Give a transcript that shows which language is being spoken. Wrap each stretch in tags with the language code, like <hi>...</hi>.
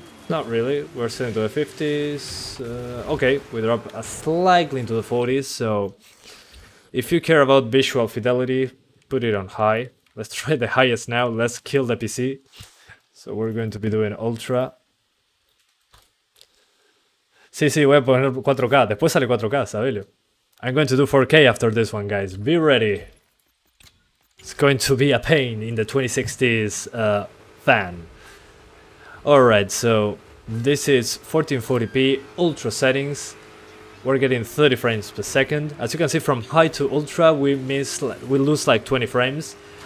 <en>Not really, we're still into the 50s. Okay, we drop slightly into the 40s, so if you care about visual fidelity, put it on high. Let's try the highest now, let's kill the PC. So we're going to be doing ultra.</en> <es>Sí, sí, voy a poner 4K, después sale 4K, Sabelio.</es> <en>I'm going to do 4K after this one, guys, be ready. It's going to be a pain in the 2060s fan. Alright, so this is 1440p ultra settings. We're getting 30 frames per second. As you can see, from high to ultra, we lose like 20 frames.</en>